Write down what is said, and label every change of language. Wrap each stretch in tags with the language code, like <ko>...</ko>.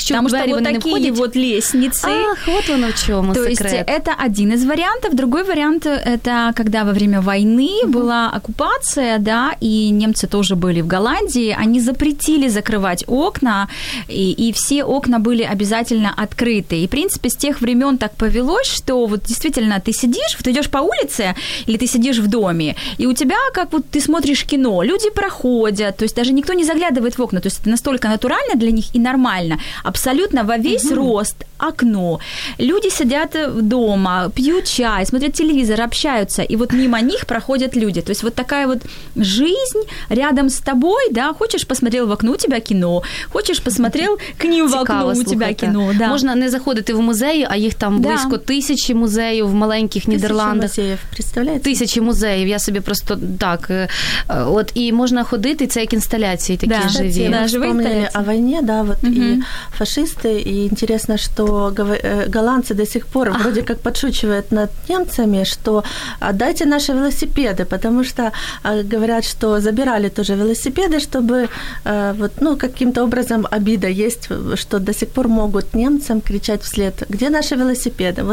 <uk>Що двері вони не входять? Тому що от такі лісниці. Ах, от воно в чому секрет. Тобто, це один із варіантів. Другий варіант – це коли</uk> <ru>во время</ru> <uk>війни була окупація, да, і німці теж були в Голландії, вони запретили закривати окна,</uk> <ru>и все окна были обязательно открыты. И, в принципе, с тех времен так повелось, что вот действительно ты сидишь, вот идешь по улице, или ты сидишь в доме, и у тебя, как вот ты смотришь кино, люди проходят, то есть даже никто не заглядывает в окна, то есть это настолько натурально для них и нормально, абсолютно во весь рост окно. Люди сидят дома, пьют чай, смотрят телевизор, общаются, и вот мимо них проходят люди. То есть вот такая вот жизнь рядом с тобой, да, хочешь, посмотрел в окно, у тебя кино, хочешь, посмотрел к ним в окно, у тебя кино. Да.</ru> <uk>Можна не заходити в музеї, а їх там близько тисячі музеїв в маленьких Нідерландах. Тисячі музеїв, представляєте? Тисячі музеїв, я собі просто так. От, і можна ходити, це як інсталяції такі живі.</uk> <ru>Так, ми вспомнили о війні, да, вот, і фашисти, і інтересно, що то голландцы до сих пор вроде как подшучивают над немцами, что дайте наши велосипеды, потому что говорят, что забирали тоже велосипеды, чтобы вот, ну, каким-то образом обида есть, что до сих пор могут немцам кричать вслед, где наши велосипеды?</ru>